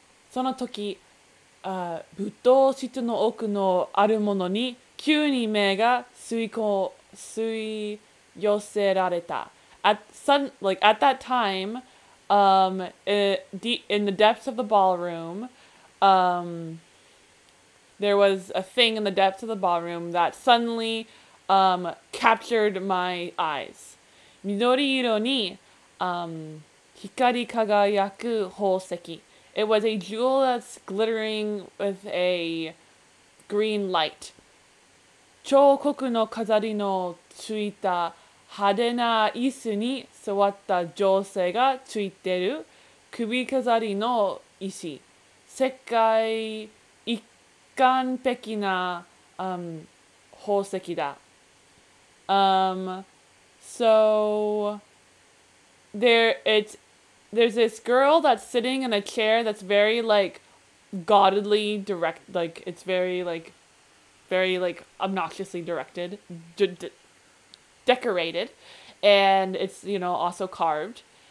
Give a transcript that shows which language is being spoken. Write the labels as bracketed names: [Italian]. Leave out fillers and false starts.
[Japanese] その時舞踏室の奥のあるものに急に目が吸い寄せられた. [English] At that time, in the depths of the ballroom, there was a thing in the depths of the ballroom that suddenly captured my eyes. [Japanese] 緑色に光輝く宝石. [English] It was a jewel that's glittering with a green light. [Japanese] 彫刻の飾りのついた派手な椅子に座った女性がついてる首飾りの石。世界一貫的な宝石だ。 [English] So there's this girl that's sitting in a chair that's very like godly direct, like it's very like very like obnoxiously directed, decorated, and it's, you know, also carved.